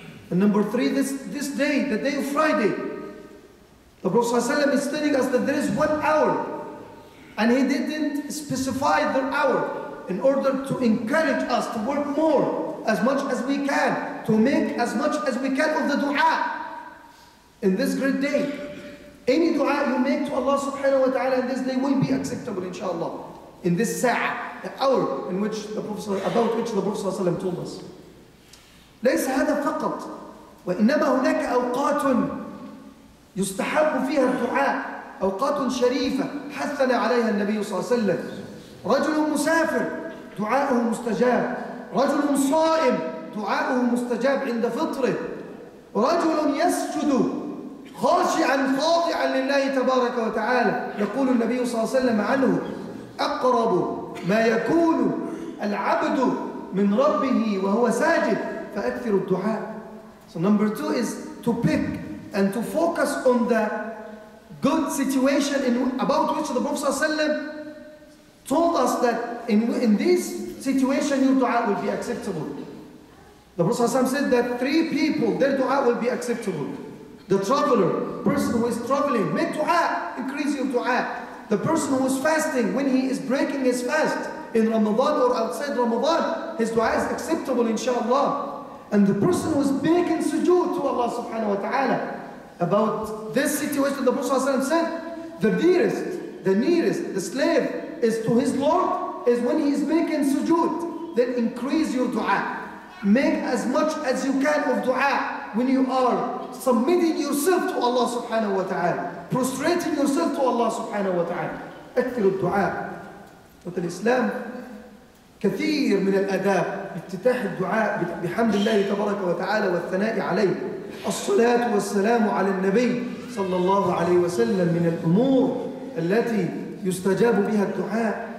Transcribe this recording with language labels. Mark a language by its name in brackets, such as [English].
[English] And number three, this day, the day of Friday, the Prophet ﷺ is telling us that there is 1 hour, and he didn't specify the hour in order to encourage us to work more, as much as we can, to make as much as we can of the dua in this great day. Any dua you make to Allah subhanahu wa ta'ala in this day will be acceptable, inshaAllah, in this sa'ah, the hour in which the Prophet, about which the Prophet ﷺ told us. [Arabic] ليس هذا فقط، وإنما هناك أوقات يستحب فيها الدعاء، أوقات شريفة حثنا عليها النبي صلى الله عليه وسلم. رجل مسافر دعاؤه مستجاب، رجل صائم دعاؤه مستجاب عند فطره، رجل يسجد خاشعا خاضعا لله تبارك وتعالى، يقول النبي صلى الله عليه وسلم عنه: أقرب ما يكون العبد من ربه وهو ساجد. فأكثر الدعاء. [English] So number two is to pick and to focus on the good situation in about which the Prophet ﷺ told us that in this situation your dua will be acceptable. The Prophet ﷺ said that three people, their dua will be acceptable. The traveler, person who is traveling, make dua, increase your dua. The person who is fasting, when he is breaking his fast in Ramadan or outside Ramadan, his dua is acceptable, inshaAllah. And the person who is making sujood to Allah subhanahu wa ta'ala, about this situation the Prophet ﷺ said, the dearest, the nearest, the slave is to his Lord, is when he is making sujood. Then increase your dua. Make as much as you can of dua when you are submitting yourself to Allah subhanahu wa ta'ala, prostrating yourself to Allah subhanahu wa ta'ala. [Arabic] أكثر الدعاء. [English] But in Islam, [Arabic] كثير من الأداب افتتاح الدعاء بحمد الله تبارك وتعالى والثناء عليه. الصلاة والسلام على النبي صلى الله عليه وسلم من الأمور التي يستجاب بها الدعاء.